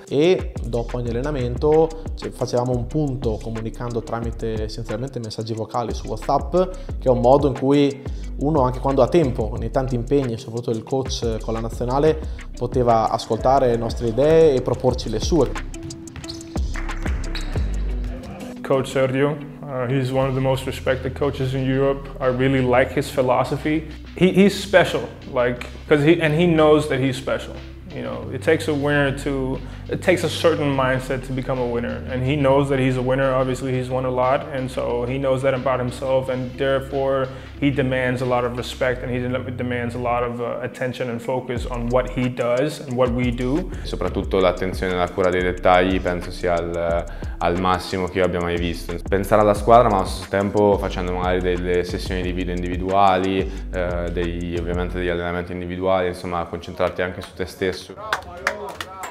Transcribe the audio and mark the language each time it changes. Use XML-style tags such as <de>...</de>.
<it>E dopo ogni allenamento facevamo un punto comunicando tramite essenzialmente messaggi vocali su WhatsApp, che è un modo in cui uno, anche quando ha tempo, nei tanti impegni, soprattutto il coach con la nazionale, poteva ascoltare le nostre idee e proporci le sue. Coach Sergio.</it> <en>He's one of the most respected coaches in Europe. I really like his philosophy. He's special, like, because he knows that he's special. You know, it takes a winner it takes a certain mindset to become a winner. And he knows that he's a winner. Obviously, he's won a lot. And so he knows that about himself. And therefore, he demands a lot of respect and he demands a lot of attention and focus on what he does and what we do.</en> <it>Soprattutto l'attenzione e la cura dei dettagli penso sia al massimo che io abbia mai visto. Pensare alla squadra, ma allo stesso tempo facendo magari delle sessioni di video individuali, ovviamente degli allenamenti individuali, insomma, concentrarti anche su te stesso.</it>